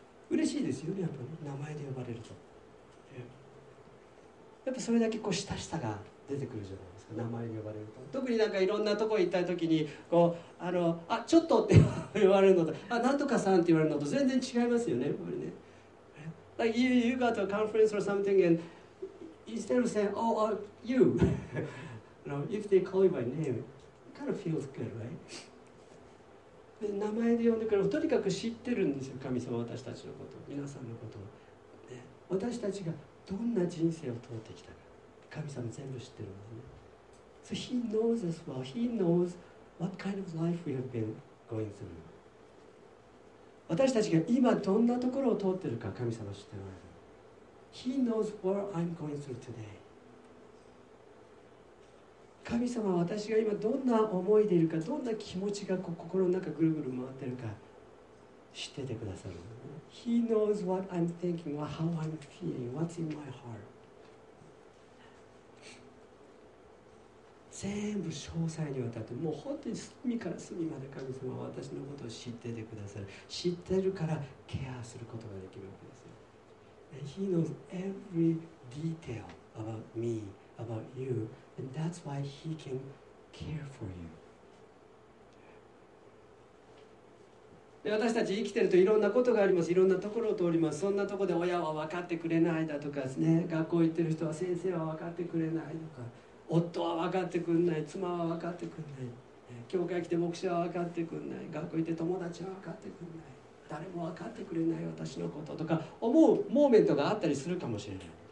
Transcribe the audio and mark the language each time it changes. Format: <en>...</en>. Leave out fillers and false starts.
<ja>嬉しいですよね、やっぱり、ね、名前で呼ばれると。やっぱそれだけこう親しさが出てくるじゃないですか、名前で呼ばれると。特になんかいろんなとこ行った時にこう、あ、ちょっとって言われるのと、あ、なんとかさんって言われるのと全然違いますよね、やっぱりね。</ja> <en>Like you go to a conference or something and instead of saying, oh, you, you know, if they call you by name, it kind of feels good, right?</en> <ja>で名前で呼んでくれる、とにかく知ってるんですよ、神様は私たちのこと、皆さんのことを、ね。私たちがどんな人生を通ってきたか、神様全部知ってるんですね。 So he knows us well, he knows</ja> <en>What kind of life we have been going through?</en> <ja>私たちが今どんなところを通っているか神様知っています。</ja> <en>He knows what I'm going through today.</en> <ja>神様は私が今どんな思いでいるか、どんな気持ちが心の中ぐるぐる回っているか知っててくださる。</ja> <en>He knows what I'm thinking, how I'm feeling, what's in my heart.</en> <ja>全部詳細にわたって、もう本当に隅から隅まで神様は私のことを知っててくださる。知ってるからケアすることができるわけですよ。</ja> <en>And he knows every detail about me, about you, and that's why he can care for you.</en> <ja>で私たち生きてるといろんなことがあります。いろんなところを通ります。そんなところで親は分かってくれないだとかですね。学校行ってる人は先生は分かってくれないとか、夫は分かってくれない、妻は分かってくれない、教会来て牧師は分かってくれない、学校行って友達は分かってくれない、誰も分かってくれない私のこととか思うモーメントがあったりするかもしれない。</ja>